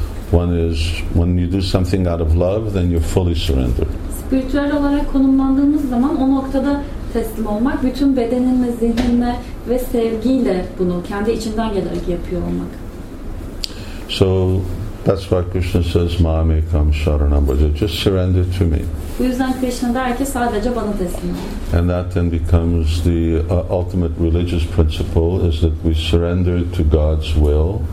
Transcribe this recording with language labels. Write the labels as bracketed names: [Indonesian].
[English] One is, when you do something out of love, then you're fully surrendered. [Turkish] Spiritual olarak konumlandığımız zaman o noktada teslim olmak, bütün bedeninle, zihninle ve sevgiyle bunu kendi içinden gelerek yapıyor olmak. [English] So that's why Krishna says, [Sanskrit] "Mami, kam sharanam bhaja." [English] Just surrender to me. [Turkish] Bu yüzden Krishna der ki, sadece bana teslim ol. [English] And that then becomes the ultimate religious principle, is that we surrender to God's will.